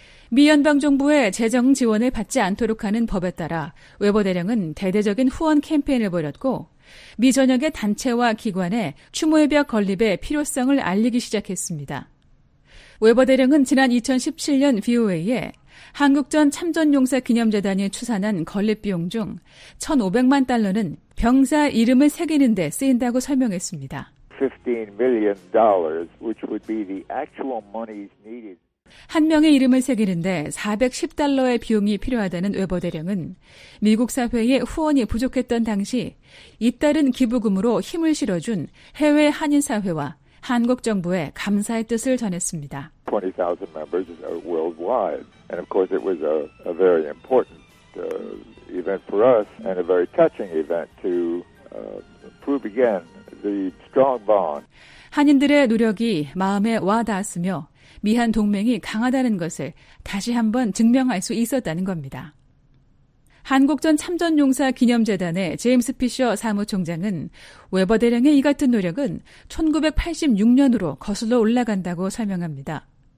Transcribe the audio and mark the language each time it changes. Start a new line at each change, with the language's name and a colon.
Korean: 미 연방정부의 재정 지원을 받지 않도록 하는 법에 따라 웨버 대령은 대대적인 후원 캠페인을 벌였고 미 전역의 단체와 기관에 추모의 벽 건립의 필요성을 알리기 시작했습니다. 웨버 대령은 지난 2017년 VOA에 한국전 참전용사 기념재단이 추산한 건립 비용 중 1,500만 달러는 병사 이름을 새기는 데 쓰인다고 설명했습니다.
English: $15 million, which would be the actual money's needed.
Korean: 한 명의 이름을 새기는데 410달러의 비용이 필요하다는 웨버 대령은 미국 사회에 후원이 부족했던 당시 잇따른 기부금으로 힘을 실어준 해외 한인사회와 한국 정부에 감사의 뜻을 전했습니다.
English: 20,000 members worldwide. And of course it was a very important event for us and a very touching event to prove again the strong bond.
Korean: 한인들의 노력이 마음에 와닿았으며 미한 동맹이 강하다는 것을 다시 한번 증명할 수 있었다는 겁니다. 한국전 참전용사 기념재단의 제임스 피셔 사무총장은 웨버 대령의 이 같은 노력은 1986년으로 거슬러 올라간다고 설명합니다.